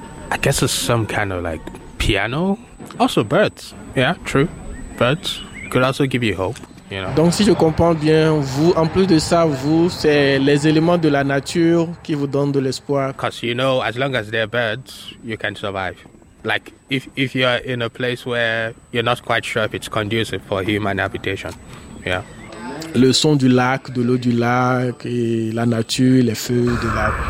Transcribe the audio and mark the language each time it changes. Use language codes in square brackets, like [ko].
[en] I guess it's some kind of like piano. Also birds. Yeah, true. Birds could also give you hope. You know. [fr] Donc si je comprends bien, vous, en plus de ça, vous, c'est les éléments de la nature qui vous donnent de l'espoir. [en] Because you know, as long as there are birds, you can survive. Like if you're in a place where you're not quite sure if it's conducive for human habitation. Yeah. [fr] Le son du lac, de l'eau du lac, et la nature, les feux du lac.